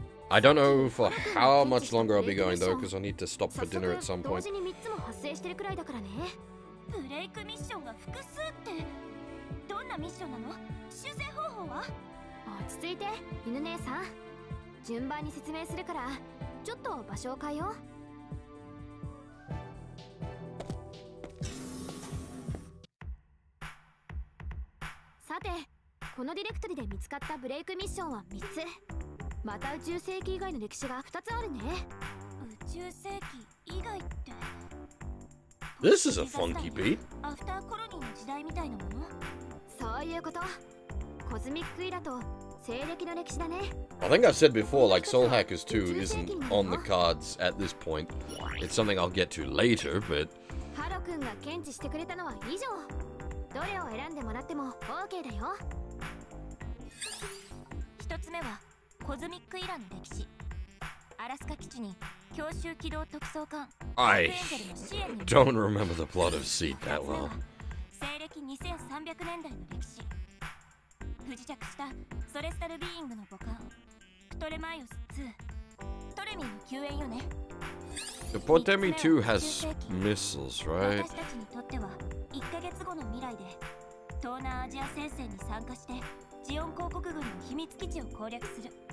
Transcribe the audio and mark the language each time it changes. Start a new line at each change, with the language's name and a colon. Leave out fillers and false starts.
English: I don't know for how much longer I'll be going though, because I need to stop for dinner at some point.
Japanese: 同時に3つも発生してるくらいだからね。ブレイクミッションが複数ってどんなミッションなの？修正方法は？落ち着いて、犬姉さん。順番に説明するから、ちょっと場所を変えよう。さて、このディレクトリで見つかったブレイクミッションは3つ。また宇宙世紀以外の歴史が2つあるね。宇宙世紀以外って。
English: This is a funky beat.
Japanese: アフターコロニーの時代みたいなもの？そういうこと。コズミックイだと、西暦の歴史だね。
English: I think I've said before, like, Soul Hackers 2 isn't on the cards at this point. It's something I'll get to later, but...
Japanese: ハロ君が検知してくれたのは以上。どれを選んでもらっても OK だよ。一つ目は、コズミックイラの歴史。アラスカ基地に強襲機動特装艦。
English: I don't remember the plot of Seed that well.
Japanese: 西暦2300年代の歴史。不時着したソレスタルビーイングの母艦。トレマイオス2、トレミの救援よね。
English: ポテミ2 has missiles, right?
Japanese: 私たちにとっては1ヶ月後の未来で、東南アジア戦線に参加してジオン公国軍の秘密基地を攻略する。